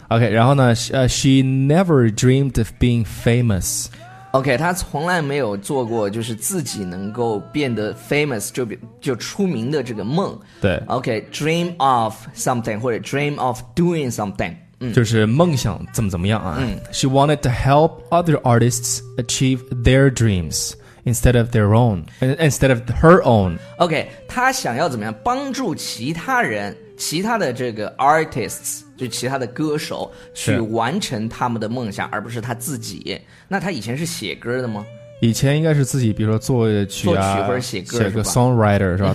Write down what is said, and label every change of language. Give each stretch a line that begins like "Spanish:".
English: OK，
Chinese: 然后呢
English: she never dreamed of being famous。
Chinese: OK， 她从来没有做过就是自己能够变得 famous， 就出名的这个梦。对，
English: OK， dream of something 或者 dream of doing something、嗯、
Chinese: 就是梦想怎么怎么样啊、嗯、
English: she wanted to help other artists achieve their dreamsInstead of their own, instead of her own.
Chinese: OK， 他想要怎么样帮助其他人，其他的这个 artists， 就其他的歌手去完成他们的梦想，而不是他自己。那他以前是写歌的吗？以前应该是自己，比如说作曲啊，作曲或者写歌，写个 songwriter 是吧？